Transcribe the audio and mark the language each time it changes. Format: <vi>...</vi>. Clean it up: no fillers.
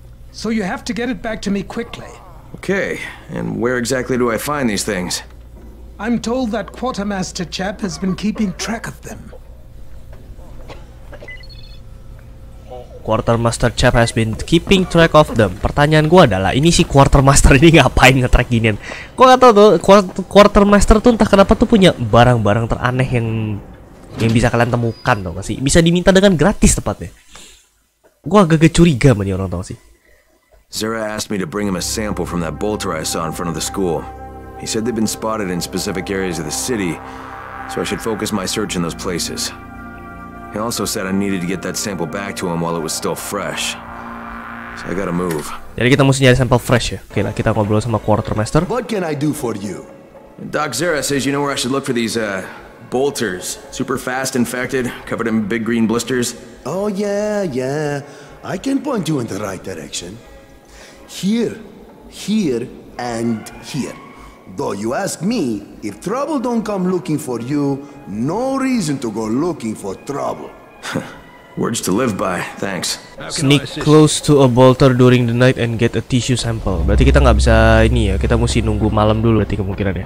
<en>So you have to get it back to me quickly. Okay, and where exactly do I find these things? I'm told that quartermaster chap has been keeping track of them. Quartermaster chap has been keeping track of them.</en> <id>Pertanyaan gua adalah, ini si quartermaster ini ngapain nge-track ginian? Gua enggak tahu tuh, quartermaster tuh entah kenapa tuh punya barang-barang teraneh yang bisa kalian temukan tau gak sih? Bisa diminta dengan gratis tepatnya. Gua agak curiga sama nih orang tau sih.</id> <en>Zara asked me to bring him a sample from that bolter I saw in front of the school. He said they've been spotted in specific areas of the city, so I should focus my search in those places. He also said I needed to get that sample back to him while it was still fresh. So I gotta move.</en> <id>Jadi kita mesti nyari sample fresh ya. Oke lah, kita ngobrol sama quartermaster.</id> <en>What can I do for you? Doc Zara says you know where I should look for these bolters. Super fast infected, covered in big green blisters. Oh yeah, yeah. I can point you in the right direction. Here, here, and here. Though you ask me, if trouble don't come looking for you, no reason to go looking for trouble. Words to live by, thanks. Sneak close to a bolter during the night and get a tissue sample.</en> <id>Berarti kita nggak bisa ini ya, kita mesti nunggu malam dulu berarti kemungkinannya.</id>